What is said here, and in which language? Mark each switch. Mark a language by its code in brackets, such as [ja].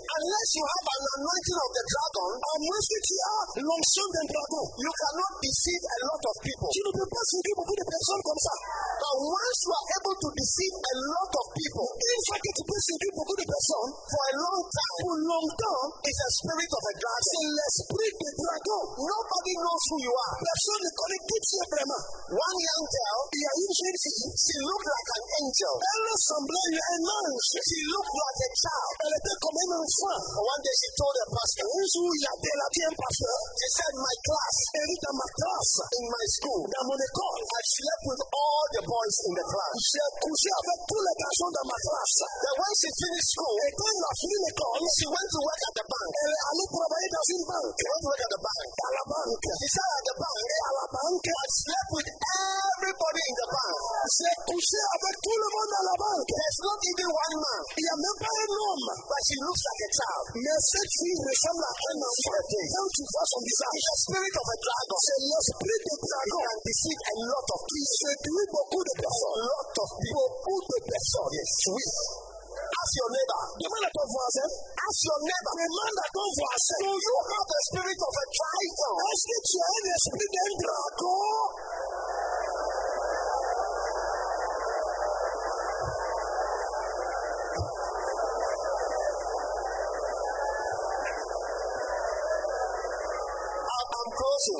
[en] Unless you have an anointing of the dragon, [fr] à moins que tu as l'onction d'un dragon, [en] you cannot deceive a lot of people. [fr] Tu ne peux pas séduire beaucoup de personnes comme ça. [en] But once you are able to deceive a lot of people, [fr] une fois que tu peux séduire beaucoup de personnes, [en] for a long time, [fr] pour longtemps, [en] it's a spirit of a dragon. [fr] C'est l'esprit du dragon. [en] Nobody knows who you are. [fr] Personne ne connaît. [en] One young girl, [fr] il y a une jeune fille, [en] she looked like an angel. [fr] Elle semblait un ange. [en] She looked like a child. [fr] Elle était comme un enfant. [en] One day she told her pastor, [fr] un jour, il a dit, elle a dit un pasteur, [en] she said, my class, [fr] elle dit, dans ma classe, [en] in my school, [fr] dans mon école, [en] I slept with all the boys in the class. [fr] J'ai couché avec tous les garçons dans ma classe. [en] Then when she finished school, [fr] et quand elle a fini l'école, [en] she went to work at the bank. [fr] Elle allait travailler dans une banque. [en] Went to work at the bank. [fr] À la banque. [en] She said, at the bank, [fr] et à la banque. [en] I slept with everybody in the bank. [fr] J'ai couché avec tout le monde dans la banque. [en] There's not even one man. [fr] Il n'y a même pas un homme. [en] But she looks like a child. [fr] Mais cette fille ressemble à un enfant. Quand tu vois son visage, [en] it's the spirit of a dragon. [fr] C'est l'esprit de dragon. [en] It can deceive a lot of people. [fr] Il séduit beaucoup de personnes. [en] A lot of people. [fr] Beaucoup de personnes. [en] Yes. Oui. Ask your neighbor. [fr] Demande à ton voisin. [en] Ask your neighbor. [fr] Demande à ton voisin. [en] Do you have the spirit of a dragon? [fr] Est-ce que tu as l'esprit d'un dragon? [en] I'm closing.